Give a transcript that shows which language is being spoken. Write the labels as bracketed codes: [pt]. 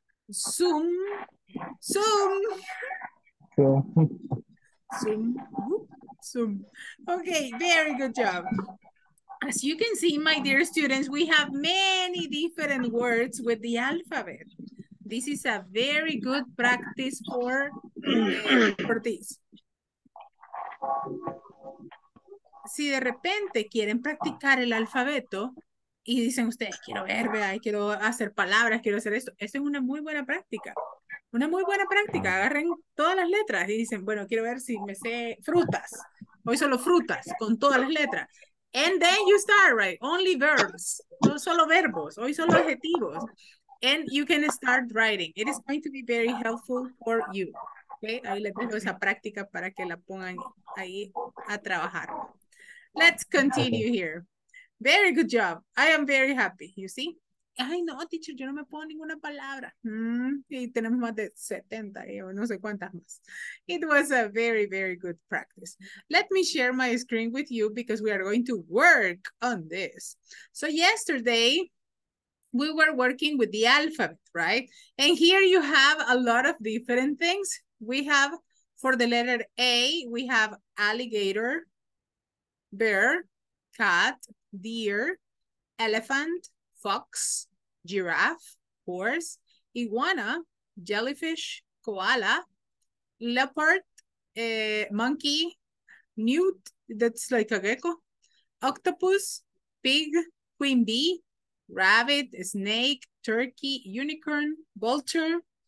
[en] zoom, zoom, zoom, zoom. Okay, very good job. As you can see, my dear students, we have many different words with the alphabet. This is a very good practice for, for this. [es] Si de repente quieren practicar el alfabeto y dicen ustedes, quiero ver, vea, quiero hacer palabras, quiero hacer esto. Esto es una muy buena práctica. Una muy buena práctica. Agarren todas las letras y dicen, bueno, quiero ver si me sé frutas. Hoy solo frutas, con todas las letras. [en] And then you start, right? Only verbs. [es] No solo verbos. Hoy solo adjetivos. [en] And you can start writing. It is going to be very helpful for you. Okay? [es] Ahí les dejo esa práctica para que la pongan ahí a trabajar. [en] Let's continue here. Very good job. I am very happy. You see? [es] Ay, no, teacher, yo no me pongo ninguna palabra. Y tenemos más de 70, yo no sé cuántas más. [en] It was a very, very good practice. Let me share my screen with you because we are going to work on this. So yesterday, we were working with the alphabet, right? And here you have a lot of different things. We have, for the letter A, we have alligator, bear, cat, deer, elephant, fox, giraffe, horse, iguana, jellyfish, koala, leopard, monkey, newt, that's like a gecko, octopus, pig, queen bee, rabbit, snake, turkey, unicorn, vulture.